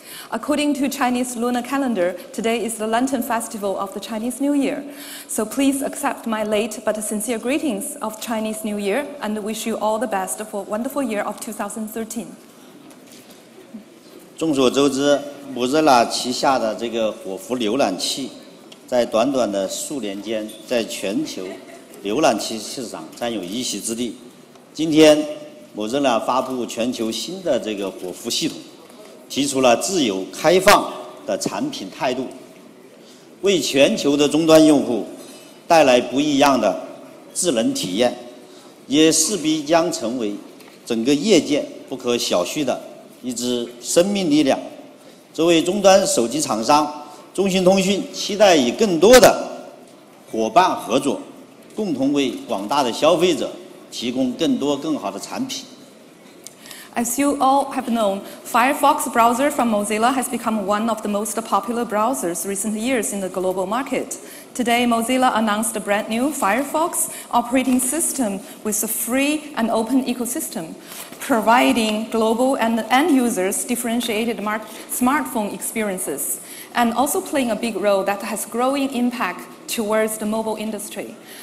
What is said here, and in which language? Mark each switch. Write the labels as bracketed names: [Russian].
[English] According to Chinese lunar calendar, today is the Lantern Festival of the Chinese New Year. So please accept my late but sincere greetings of Chinese New Year and wish you all the best for a wonderful year of 2013. [Chinese] 众所周知， Mozilla 旗下的这个火狐浏览器在短短的数年间在全球浏览器市场占有一席之地。今天， Mozilla 发布全球新的这个火狐系统， 提出了自由开放的产品态度，为全球的终端用户带来不一样的智能体验，也势必将成为整个业界不可小觑的一支生命力量。作为终端手机厂商，中兴通讯期待与更多的伙伴合作，共同为广大的消费者提供更多更好的产品。 [English] As you all have known, Firefox browser from Mozilla has become one of the most popular browsers recent years in the global market. Today, Mozilla announced a brand new Firefox operating system with a free and open ecosystem, providing global and end users differentiated smartphone experiences, and also playing a big role that has growing impact towards the mobile industry.